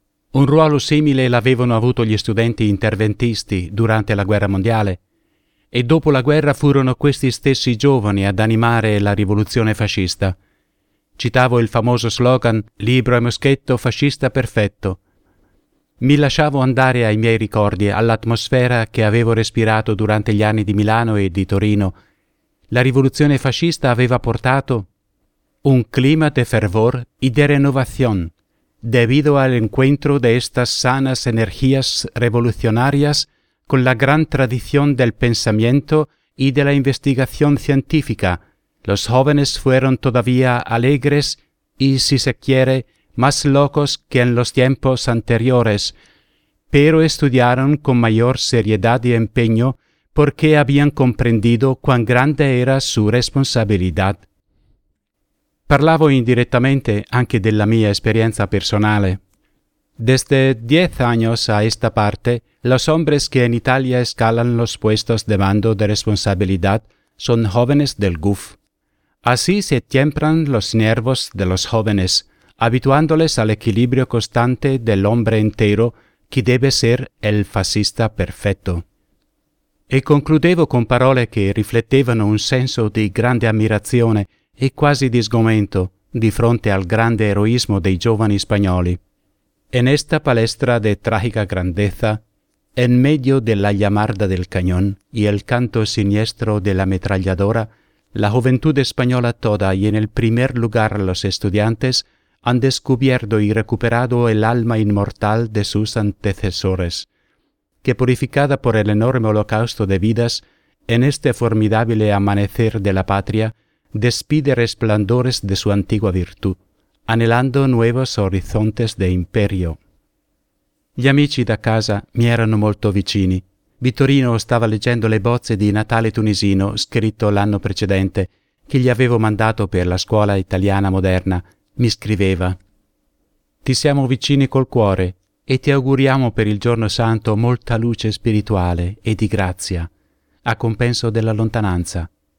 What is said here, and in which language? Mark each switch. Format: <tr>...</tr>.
<it>Un ruolo simile l'avevano avuto gli studenti interventisti durante la guerra mondiale, e dopo la guerra furono questi stessi giovani ad animare la rivoluzione fascista. Citavo il famoso slogan «Libro e moschetto, fascista perfetto». Mi lasciavo andare ai miei ricordi, all'atmosfera che avevo respirato durante gli anni di Milano e di Torino. La rivoluzione fascista aveva portato un clima</it> <es>de fervor y de renovación, debido al encuentro de estas sanas energías revolucionarias con la gran tradición del pensamiento y de la investigación científica, los jóvenes fueron todavía alegres y, si se quiere, más locos que en los tiempos anteriores, pero estudiaron con mayor seriedad y empeño porque habían comprendido cuán grande era su responsabilidad».</es> <it>Parlavo indirettamente anche della mia esperienza personale.</it> <es>«Desde 10 años a esta parte, los hombres que en Italia escalan los puestos de mando de responsabilidad son jóvenes del GUF. Así se tiemblan los nervios de los jóvenes, habituándoles al equilibrio constante del hombre entero que debe ser el fascista perfecto».</es> <it>E concludevo con parole che riflettevano un senso di grande ammirazione e quasi di sgomento di fronte al grande eroismo dei giovani spagnoli.</it> <es>«En esta palestra de trágica grandeza, en medio de la llamarda del cañón y el canto siniestro de la ametralladora, la juventud española toda y en el primer lugar los estudiantes han descubierto y recuperado el alma inmortal de sus antecesores, que purificada por el enorme holocausto de vidas, en este formidable amanecer de la patria, despide resplandores de su antigua virtud, anelando nuevos horizontes de imperio.</es> <it>Gli amici da casa mi erano molto vicini. Vittorino stava leggendo le bozze di Natale tunisino scritto l'anno precedente, che gli avevo mandato per la scuola italiana moderna. Mi scriveva: «Ti siamo vicini col cuore e ti auguriamo per il giorno santo molta luce spirituale e di grazia, a compenso della lontananza.</it>